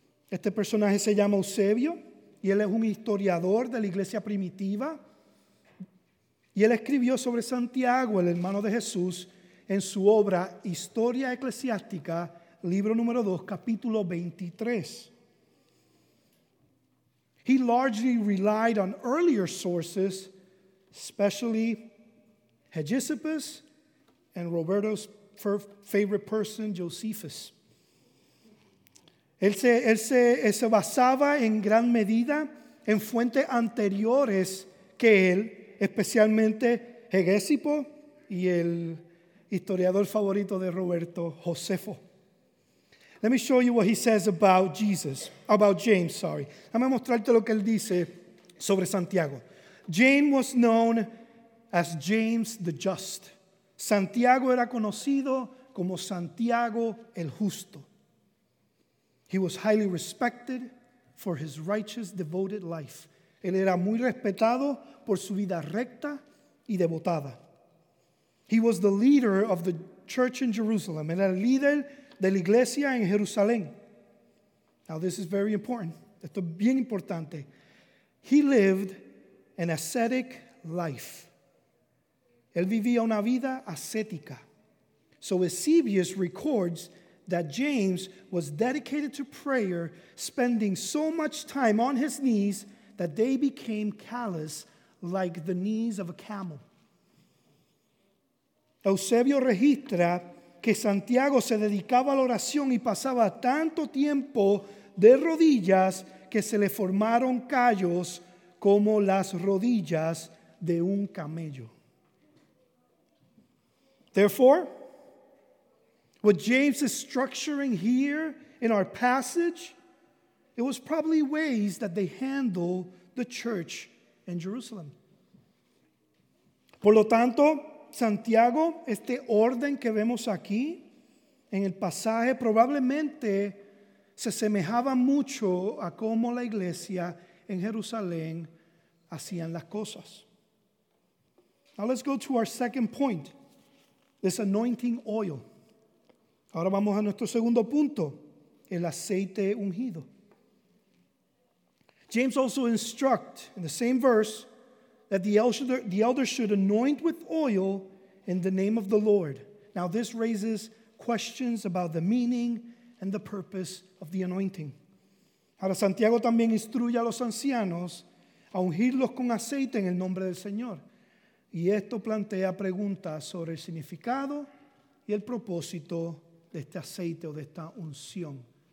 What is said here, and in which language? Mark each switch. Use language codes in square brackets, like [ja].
[es] Este personaje se llama Eusebio, y él es un historiador de la iglesia primitiva. Y él escribió sobre Santiago, el hermano de Jesús, en su obra Historia Eclesiástica, libro número 2, capítulo 23. [en] He largely relied on earlier sources, especially Hegesippus and Roberto's favorite person, Josephus. [es] Él se basaba en gran medida en fuentes anteriores que él, especialmente Hegesippo y el historiador favorito de Roberto, Josefo. [en] Let me show you what he says about Jesus, about James, sorry. [es] Déjame mostrarte lo que él dice sobre Santiago. [en] James was known as James the Just. [es] Santiago era conocido como Santiago el Justo. [en] He was highly respected for his righteous, devoted life. [es] Él era muy respetado por su vida recta y devotada. [en] He was the leader of the church in Jerusalem. [es] Él era el líder de la iglesia en Jerusalén. [en] Now, this is very important. [es] Esto es bien importante. [en] He lived an ascetic life. [es] Él vivía una vida ascética. [en] So Eusebius records that James was dedicated to prayer, spending so much time on his knees that they became callous like the knees of a camel. [es] Eusebio registra que Santiago se dedicaba a la oración y pasaba tanto tiempo de rodillas que se le formaron callos como las rodillas de un camello. [en] Therefore, what James is structuring here in our passage, it was probably ways that they handled the church in Jerusalem. [es] Por lo tanto, Santiago, este orden que vemos aquí en el pasaje, probablemente se asemejaba mucho a cómo la iglesia en Jerusalén hacían las cosas. [en] Now let's go to our second point, this anointing oil. [es] Ahora vamos a nuestro segundo punto, el aceite ungido. [en] James also instructs in the same verse that the elders should anoint with oil in the name of the Lord. Now this raises questions about the meaning and the purpose of the anointing. [es] Ahora Santiago también instruye a los ancianos a ungirlos con aceite en el nombre del Señor. Y esto plantea preguntas sobre el significado y el propósito de este aceite o de esta unción.